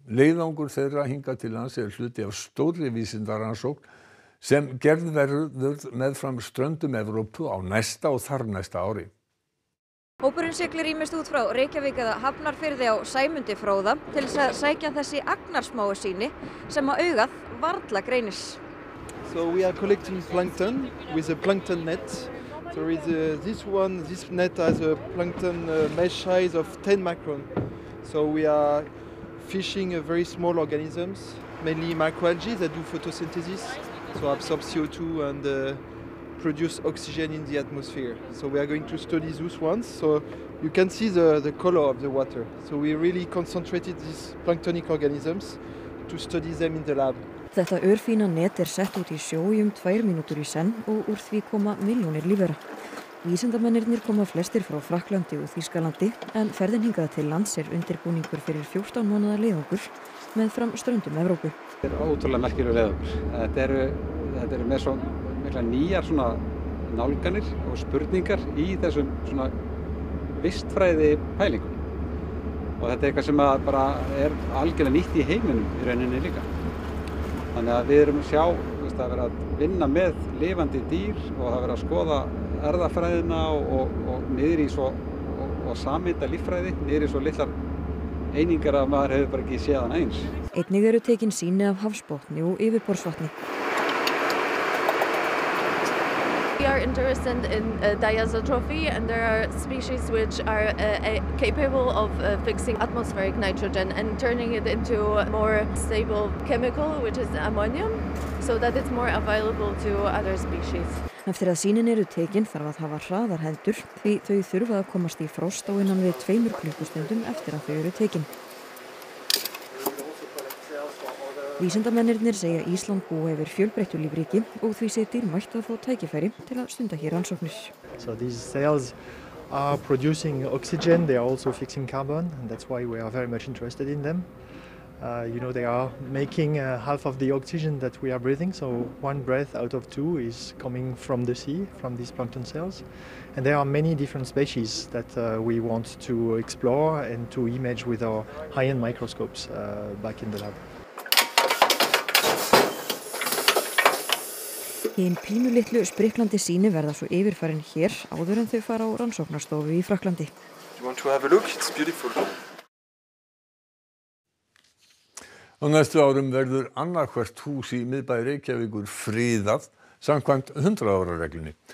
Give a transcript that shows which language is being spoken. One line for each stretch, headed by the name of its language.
Icelandic: Leiðangur þeirra hingað til lands hluti af stórri vísindarannsókn sem gerð verður með fram ströndum Evrópu á næsta og þar næsta ári. Hópurinn siglir ýmist út frá Reykjavík eða Hafnarfirði á Sæmundi fróða til þess að sækja þessi agnarsmáu sýni sem á augað varla greinis.
English: So we are collecting plankton with a plankton net. So this net has a plankton mesh size of 10 micron. So we are fishing a very small organisms, mainly microalgae that do photosynthesis. So absorb CO2 and produce oxygen in the atmosphere. So we are going to study those ones. So you can see the color of the water. So we really concentrated these planktonic organisms to study them in the lab.
Icelandic: Þetta örfína net sett út í sjó í 2 mínútur í senn og úr því koma milljónir lífvera. Vísindamennirnir koma flestir frá Frakklandi og Þýskalandi, en ferðin hingað til lands undirbúningur fyrir 14 mánaða leiðangur með fram ströndum Evrópu. Þetta ótrúlega merkilegur leiðangur. Þetta eru með svo mikla nýjar svona nálganir og spurningar í þessum svona vistfræði pælingum. Og þetta eitthvað sem bara algjörlega nýtt í heiminum í rauninni líka. Þannig að við erum að sjá að vera að vinna með lifandi dýr og að vera að skoða erðafræðina og niður í svo og sameinda líffræði niður í svo litlar einingar að maður hefur bara ekki séð hann eins. Einnig eru tekin sýni af hafsbotni og yfirborðsvatni.
English: We are interested in diazotrophy and there are species which are capable of fixing atmospheric nitrogen and turning it into a more stable chemical which is ammonium so that it's more available to other species.
Icelandic: Eftir að sýnin eru tekin þarf að hafa hraðar hendur því þau þurfa að komast í frost á innan við 2 klukkustundum eftir að þau eru tekin. Vísindamennirnir segja Ísland búa yfir fjölbreyttu lífríki og því sé dýrmætt að fá tækifæri til að stunda hér rannsóknir.
English: So these cells are producing oxygen, they are also fixing carbon and that's why we are very much interested in them. You know, they are making half of the oxygen that we are breathing, so one breath out of two is coming from the sea, from these plankton cells. And there are many different species that we want to explore and to image with our high-end microscopes back in the lab.
Icelandic: Hinn pínulitlu spriklandi sýni verða svo yfirfærin hér áður en þau fara á rannsóknarstofu í Frakklandi.
English: You want to have a look? It's beautiful.
Icelandic: Á næstu árum verður annarhvert hús í miðbæ Reykjavíkur friðað samkvæmt 100 ára reglunni.